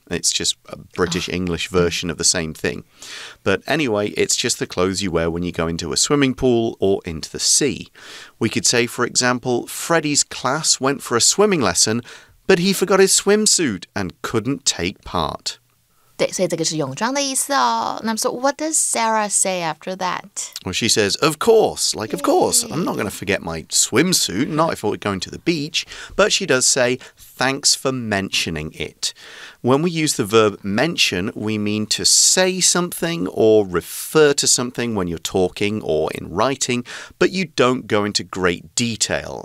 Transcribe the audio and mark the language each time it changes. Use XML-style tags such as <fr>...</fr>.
<en>It's just a British English version of the same thing. But anyway, it's just the clothes you wear when you go into a swimming pool or into the sea. We could say, for example, Freddie's class went for a swimming lesson, but he forgot his swimsuit and couldn't take part.</en> <zh>对，所以这个是泳装的意思哦。那么</zh> <en>so what does Sarah say after that? Well, she says, of course, like, of course, I'm not going to forget my swimsuit, not if we're going to the beach. But she does say, thanks for mentioning it. When we use the verb mention, we mean to say something or refer to something when you're talking or in writing, but you don't go into great detail.</en>